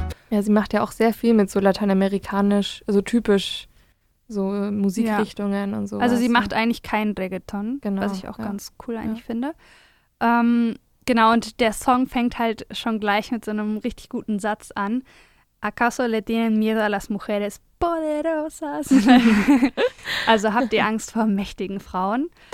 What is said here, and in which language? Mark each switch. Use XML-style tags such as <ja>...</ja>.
<de>Ja, sie macht ja auch sehr viel mit so lateinamerikanisch, also typisch so Musikrichtungen und so. Also sie macht eigentlich kein Reggaeton, was ich auch ganz cool eigentlich finde. Genau, und der Song fängt halt schon gleich mit so einem richtig guten Satz an.</de> <es>¿Acaso le tienen miedo a las mujeres poderosas?</es> <de>Also habt ihr Angst vor mächtigen Frauen?</de>